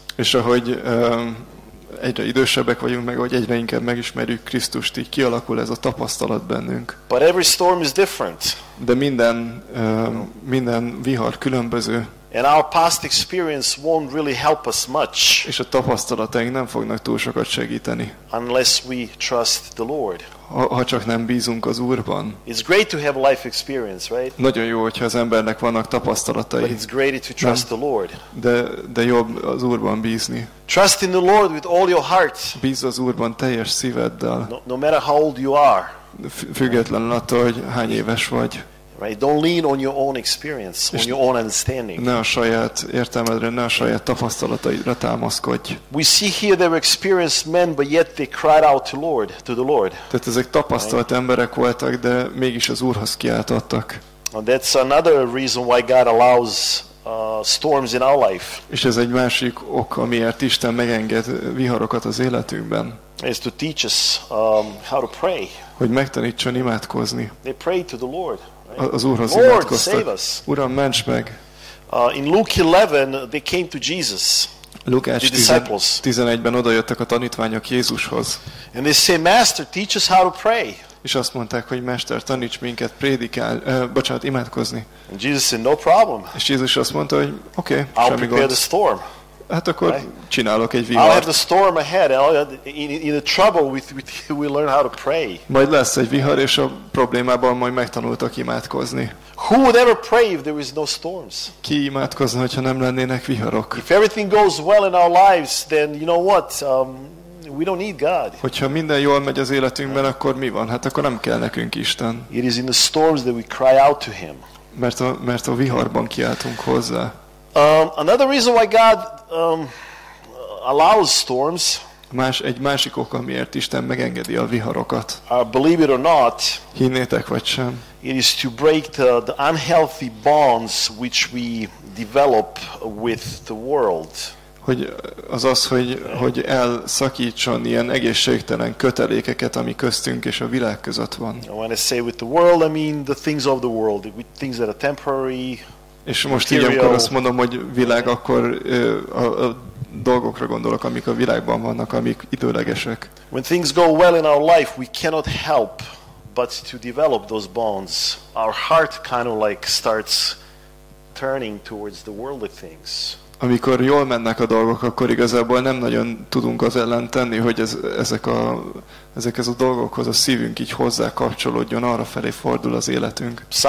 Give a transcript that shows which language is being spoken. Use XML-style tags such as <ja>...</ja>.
<hu>És ahogy egyre idősebbek vagyunk meg, vagy egyre inkább megismerjük Krisztust, így kialakul ez a tapasztalat bennünk.</hu> <en>But every storm is different.</en> <hu>De minden vihar különböző.</hu> <en>And our past experience won't really help us much.</en> <hu>És a tapasztalataink nem fognak túl sokat segíteni.</hu> <en>Unless we trust the Lord.</en> <hu>Ha csak nem bízunk az Úrban.</hu> <en>It's great to have life experience, right?</en> <hu>Nagyon jó, hogyha az embernek vannak tapasztalatai.</hu> <en>But it's greater to trust the Lord.</en> <hu>De jobb az Úrban bízni.</hu> <en>Trust in the Lord with all your heart.</en> <hu>Bízz az Úrban teljes szíveddel.</hu> <en>No matter how old you are.</en> <hu>Függetlenül attól, hogy hány éves vagy.</hu> <en>Right, don't lean on your own experience, on your own understanding.</en> <hu>Ne a saját értelmedre, ne a saját tapasztalataidra támaszkodj.</hu> <en>We see here they were experienced men, but yet they cried out to the Lord.</en> <hu>Tehát ezek tapasztalt right. Emberek voltak, de mégis az Úrhoz kiáltottak.</hu> <en>That's another reason why God allows storms in our life.</en> <hu>És ez egy másik ok, amiért Isten megenged viharokat az életünkben.</hu> <en>Is to teach us how to pray.</en> <hu>Hogy megtanítson imádkozni.</hu> <en>They pray to the Lord.</en> <hu>Az Úrhoz imádkoztak. Uram, ments meg.</hu> <en>In Luke 11 they came to Jesus.</en> <hu>Lukács 11-ben odajöttek a tanítványok Jézushoz.</hu> <en>And they say, Master, teach us how to pray.</en> <hu>És azt mondták, hogy Mester, taníts minket imádkozni.</hu> <en>And Jesus said, no problem.</en> <hu>És Jézus azt mondta, hogy oké, semmi</hu> <en>gond. I'll prepare the storm.</en> <hu>Hát akkor right. Csinálok egy vihart.</hu> <en>I'll have the storm ahead. In the trouble with you, we learn how to pray.</en> <hu>Majd lesz egy vihar és a problémában majd megtanultak imádkozni.</hu> <en>Who would ever pray if there is no storms?</en> <hu>Ki imádkozna, hogyha nem lennének viharok?</hu> <en>If everything goes well in our lives, then you know what? We don't need God.</en> <hu>Hogyha minden jól megy az életünkben, akkor mi van? Hát akkor nem kell nekünk Isten.</hu> <en>It is in the storms that we cry out to him.</en> <hu>Mert a viharban kiáltunk hozzá.</hu> <en>Another reason why God allows storms.</en> <hu>Egy másik ok, amiért Isten megengedi a viharokat.</hu> <en>Believe it or not,</en> <hu>hinnétek vagy sem.</hu> <en>It is to break the unhealthy bonds which we develop with the world.</en> <hu>Hogy az az, hogy elszakítson ilyen egészségtelen kötelékeket, ami köztünk és a világ között van.</hu> <en>When I say with the world, I mean the things of the world, the things that are temporary.</en> <hu>És most így, amikor azt mondom, hogy világ, akkor a dolgokra gondolok, amik a világban vannak, amik időlegesek.</hu> <en>When things go well in our life, we cannot help but to develop those bonds. Our heart kind of like starts turning towards the worldly things.</en> <hu>Amikor jól mennek a dolgok, akkor igazából nem nagyon tudunk az ellen tenni, hogy ezek a dolgokhoz a szívünk így hozzá kapcsolódjon, arra felé fordul az életünk.</hu>